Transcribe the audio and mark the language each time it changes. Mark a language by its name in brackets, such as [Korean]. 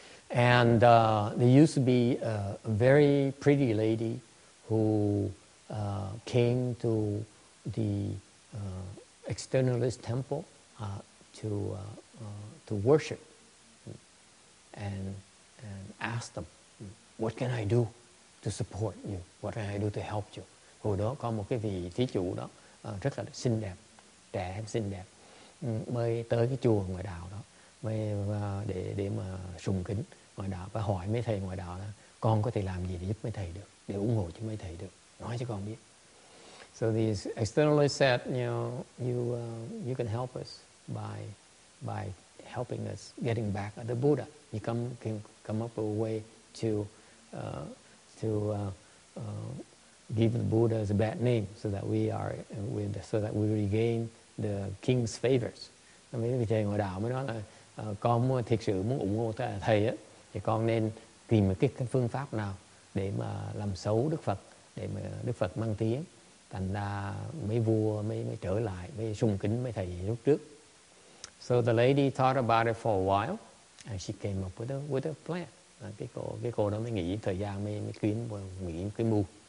[English] And there used to be a very pretty lady who came to the externalist temple to worship and ask them, what can I do to support you? What can I do to help you? [Vietnamese] Hồi đó có một cái vị thí chủ đó rất là xinh đẹp, trẻ xinh đẹp, mới tới cái chùa ngoại đạo đó, mới để mà sùng kính ngoại đạo và hỏi mấy thầy ngoại đạo là con có thể làm gì để giúp mấy thầy được, để ủng hộ cho mấy thầy được, nói cho con biết. [English] So these externalists said, you know, you can help us by helping us getting back at the Buddha. You can come up with a way to give the Buddha a bad name so that we regain the king's favors. [Vietnamese] Mấy vị thầy ngoại đạo mới nói là con thực sự muốn ủng hộ thầy á, thì con nên tìm một cái phương pháp nào để mà làm xấu Đức Phật, để mà Đức Phật mang tiếng. Thành ra mấy vua mới trở lại, mới sùng kính mấy thầy lúc trước. [English] So the lady thought about it for a while, and she came up with a plan. [Vietnamese] Cái cô đó mới nghĩ thời gian, mới nghĩ cái mưu.